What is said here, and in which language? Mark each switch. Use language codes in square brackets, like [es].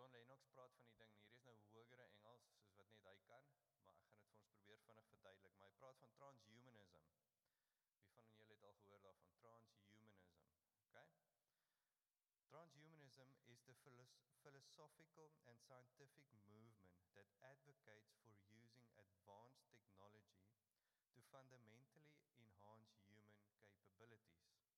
[af] Maar John Lennox praat van die ding. Hierdie is nou hogere Engels soos wat net hy kan, maar ek gaan dit vir ons probeer vinnig verduidelik. Maar hy praat van transhumanism. Wie van julle het al gehoor daarvan transhumanism? Okay. [en] Transhumanism is the philosophical and scientific movement that advocates for using advanced technology to fundamentally enhance human capabilities.